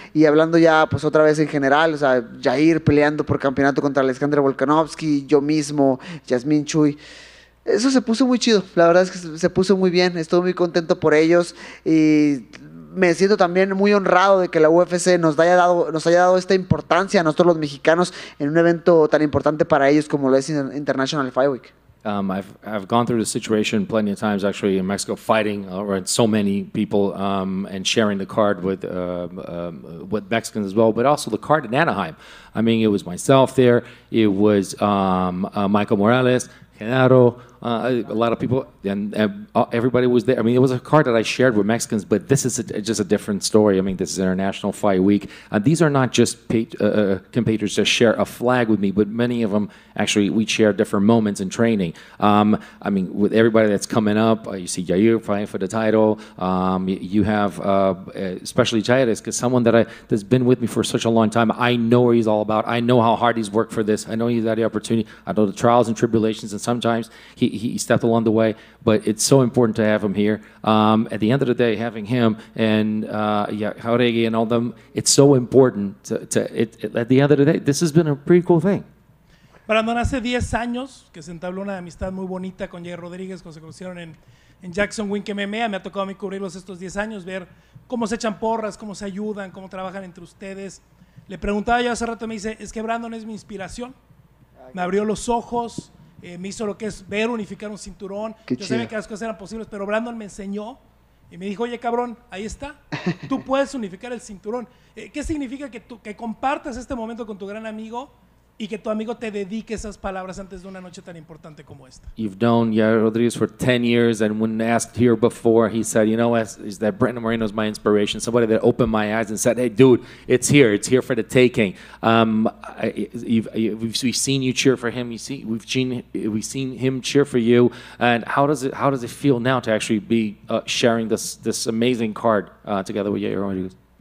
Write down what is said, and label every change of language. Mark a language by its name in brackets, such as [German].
[Spanish] Y hablando ya, pues, otra vez en general, o sea, Jair peleando por campeonato contra Alexander Volkanovski, yo mismo, Yasmín Chuy. Eso se puso muy chido. La verdad es que se puso muy bien. Estoy muy contento por ellos. Y me siento también muy honrado de que la UFC nos haya dado esta importancia a nosotros los mexicanos en un evento tan importante para ellos como lo es International Fight Week. [English] I've gone through the situation plenty of times actually in Mexico, fighting around so many people and sharing the card with Mexicans as well, but also the card in Anaheim. I mean, it was myself there, it was Michael Morales, Genaro, a lot of people, and everybody was there. I mean, it was a card that I shared with Mexicans, but this is just a different story. I mean, this is International Fight Week. These are not just compatriots that share a flag with me, but many of them, actually, we share different moments in training. I mean, with everybody that's coming up, you see Jair fighting for the title. You have, especially Chayres, because someone that's been with me for such a long time, I know what he's all about. I know how hard he's worked for this. I know he's had the opportunity. I know the trials and tribulations, and sometimes he stepped along the way, but it's so important to have him here. At the end of the day, having him and Jauregui and all them, it's so important to at the end of the day, this has been a pretty cool thing. [Spanish] Brandon, hace 10 años que se entabló una amistad muy bonita con Jair Rodríguez cuando se conocieron en Jackson Wink MMA. Me ha tocado a mí cubrirlos estos 10 años, ver cómo se echan porras, cómo se ayudan, cómo trabajan entre ustedes. Le preguntaba yo hace rato, me dice, es que Brandon es mi inspiración. Me abrió los ojos. Me hizo lo que es ver unificar un cinturón. Qué yo sabía que las cosas eran posibles, pero Brandon me enseñó Y me dijo, oye, cabrón, ahí está. Tú puedes unificar el cinturón. ¿Qué significa que tú que compartas este momento con tu gran amigo y que tu amigo te dedique esas palabras antes de una noche tan importante como esta? [English] You've known Yair Rodriguez for 10 years, and when asked here before, he said, you know, is that Brandon Moreno is my inspiration, somebody that opened my eyes and said, hey, dude, it's here for the taking. We've seen you cheer for him. We've seen him cheer for you. And how does it feel now to actually be sharing this amazing card together with Yair Rodriguez?